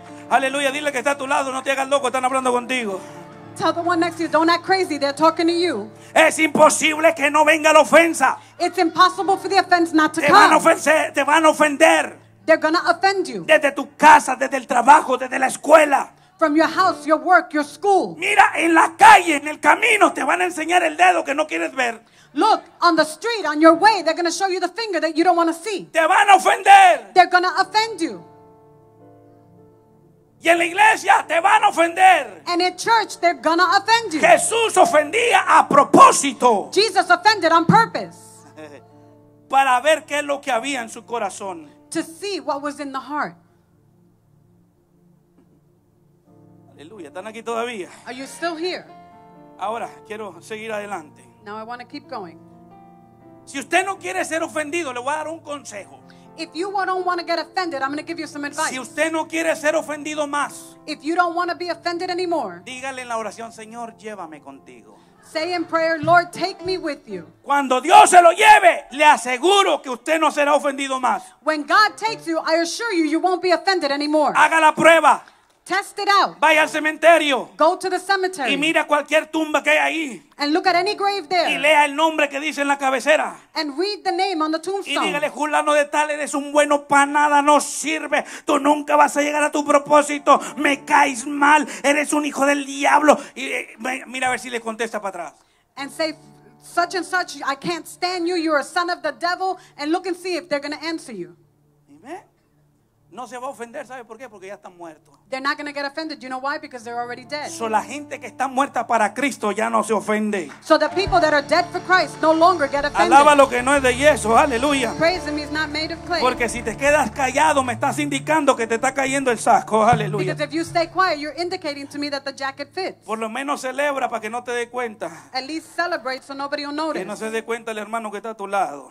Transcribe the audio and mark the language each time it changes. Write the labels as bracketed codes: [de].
[es] Aleluya, dile que está a tu lado, no te hagas loco, están hablando contigo. [en] Tell the one next to you, don't act crazy, they're talking to you. [es] Es imposible que no venga la ofensa. [en] It's impossible for the offense not to come. [es] Te van a ofender. [en] They're gonna offend you. [es] Desde tu casa, desde el trabajo, desde la escuela. [en] From your house, your work, your school. [es] Mira, en la calle, en el camino, te van a enseñar el dedo que no quieres ver. [en] Look, on the street, on your way, they're gonna show you the finger that you don't want to see. [es] Te van a ofender. [en] They're gonna offend you. [es] Y en la iglesia te van a ofender. [en] And in church they're gonna offend you. [es] Jesús ofendía a propósito. [en] Jesus offended on purpose. [es] Para ver qué es lo que había en su corazón. [en] To see what was in the heart. [es] Aleluya, ¿están aquí todavía? [en] Are you still here? [es] Ahora quiero seguir adelante. [en] Now I want to keep going. [es] Si usted no quiere ser ofendido, le voy a dar un consejo. [en] If you don't want to get offended, I'm going to give you some advice. [es] Si usted no quiere ser ofendido más, [en] if you don't want to be offended anymore, [es] dígale en la oración, Señor, llévame contigo. [en] Say in prayer, Lord, take me with you. [es] Cuando Dios se lo lleve, le aseguro que usted no será ofendido más. [en] When God takes you, I assure you, you won't be offended anymore. [es] Haga la prueba. [en] Test it out. [es] Vaya al cementerio. [en] Go to the cemetery. [es] Y mira cualquier tumba que hay ahí. [en] And look at any grave there. [es] Y lea el nombre que dice en la cabecera. [en] And read the name on the tombstone. [es] Y dígale, fulano de tal, eres un bueno para nada, no sirve. Tú nunca vas a llegar a tu propósito. Me caes mal. Eres un hijo del diablo. Y mira a ver si le contesta para atrás. [en] And say, such and such, I can't stand you. You're a son of the devil. And look and see if they're going to answer you. [es] No se va a ofender, ¿sabe por qué? Porque ya están muertos. [en] They're not going to get offended. You know why? Because they're already dead. [es] So la gente que está muerta para Cristo ya no se ofende. [en] So the people that are dead for Christ no longer get offended. [es] Alaba lo que no es de yeso. Aleluya. [en] Praise him, he's not made of clay. [es] Porque si te quedas callado, me estás indicando que te está cayendo el saco. Aleluya. [en] Because if you stay quiet, you're indicating to me that the jacket fits. [es] Por lo menos celebra para que no te dé cuenta. [en] At least celebrate so nobody will notice. [es] Que no se dé cuenta el hermano que está a tu lado.